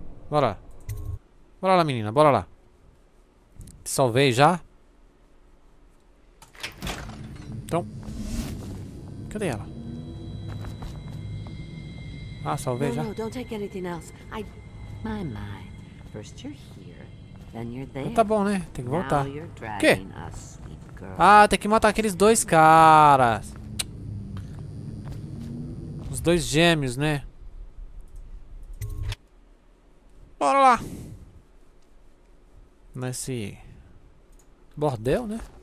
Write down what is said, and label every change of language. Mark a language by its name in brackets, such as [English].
[Portuguese] Bora. Bora lá, menina. Bora lá. Salvei já. Então. Cadê ela? Ah, salvei já. Não, não, não tome nada mais. [English] My mind. First you're here, then you're there. [Portuguese] Tá bom, né? Tem que voltar. Quê? Ah, tem que matar aqueles dois caras. Os dois gêmeos, né? Bora lá. Nesse bordel, né?